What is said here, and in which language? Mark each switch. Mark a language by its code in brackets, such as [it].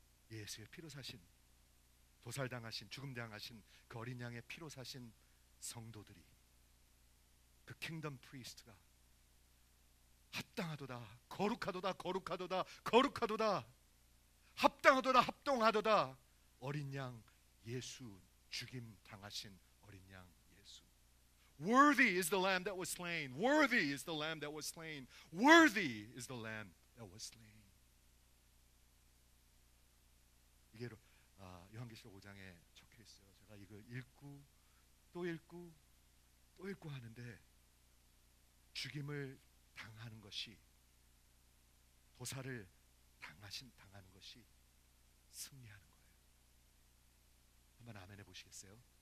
[ko] 예수의 피로 사신 도살당하신 죽음당하신 그 어린 양의 피로 사신 성도들이 그 킹덤 프리스트가 합당하도다 거룩하도다 거룩하도다 거룩하도다 합당하도다 합동하도다 어린 양 예수 죽임 당하신 어린 양 예수. [en] Worthy is the lamb that was slain. Worthy is the lamb that was slain. Worthy is the lamb that was slain. [ko] 이게 요한계시록 5장에 적혀 있어요. 제가 이걸 읽고 또 읽고 또 읽고 하는데 죽임을 당하는 것이 도살을 당하는 것이 승리하는 거예요. 한번 아멘해 보시겠어요?